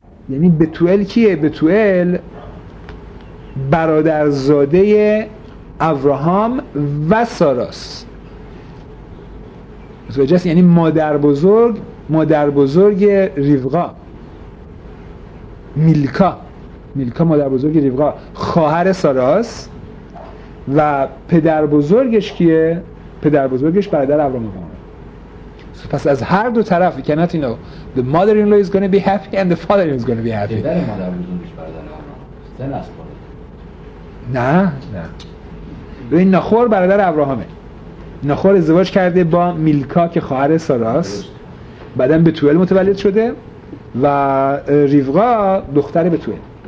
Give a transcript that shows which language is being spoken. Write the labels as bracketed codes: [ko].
[fa] یعنی بتوئل کیه؟ بتوئل برادرزاده ابراهام و ساراست، زوجست، یعنی مادر بزرگ، مادر بزرگ ریفقا میلکا، میلکا مادر بزرگ ریفقا، خواهر ساراست، و پدر بزرگش کیه؟ پدر بزرگش برادر ابراهام. پس از هر دو طرف [en] you cannot know the mother-in-law is going to be happy and the father-in-law is going to be happy. [fa] پدر مادر بزرگش برادر ابراهام، زن است. نه نه، این نخور برادر ابراهامه، نخور ازدواج کرده با میلکا که خواهر ساراست، بعدن بتوئل متولد شده و ریفقا دختر بتوئل.